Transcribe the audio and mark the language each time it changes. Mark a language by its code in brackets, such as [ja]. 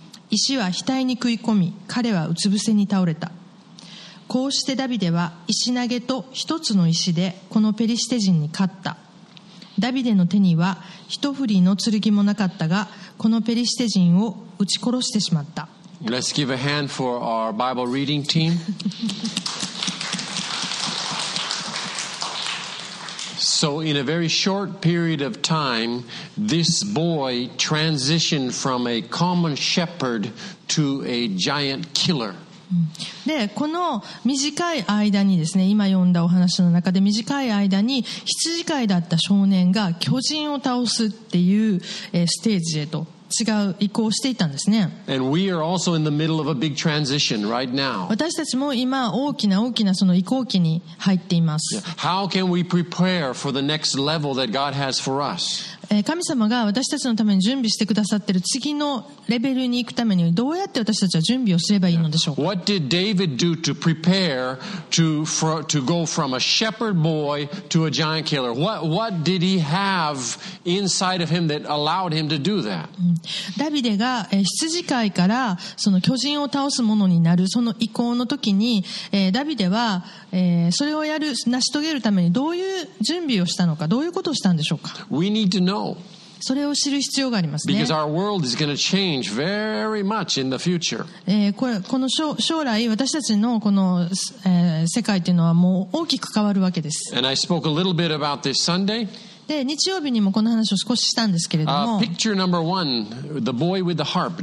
[ja] 石は額に食い込み、彼はうつ伏せに倒れた。こうしてダビデは石投げと一つの石でこのペリシテ人に勝った。ダビデの手には一振りの剣もなかったが、このペリシテ人を撃ち殺してしまった。 [en] Let's give a hand for our Bible reading team. So in a very short period of time, this boy transitioned from a common shepherd to a giant killer. [ja] でこの短い間にですね、今読んだお話の中で短い間に羊飼いだった少年が巨人を倒すっていうステージへと違う移行していたんですね。 [en] And we are also in the middle of a big transition right now. [ja] 私たちも今大きな大きなその移行期に入っています。 [en] How can we prepare for the next level that God has for us? [ja] 神様が私たちのために準備してくださっている次のレベルに行くためにどうやって私たちは準備をすればいいのでしょうか。 [en] What did David do to prepare to go from a shepherd boy to a giant killer? What did he have inside of him that allowed him to do that? [ja] ダビデが羊飼いからその巨人を倒すものになるその移行の時に、ダビデはそれをやる成し遂げるためにどういう準備をしたのか、どういうことをしたんでしょうか。 [en] We need to know. [ja] それを知る必要がありますね。 [en] Because our world is going to change very much in the future. [ja] この将来私たちのこの世界というのはもう大きく変わるわけです。 [en] And I spoke a little bit about this Sunday. [ja] で日曜日にもこの話を少ししたんですけれども、 [en] picture number one, the boy with the harp.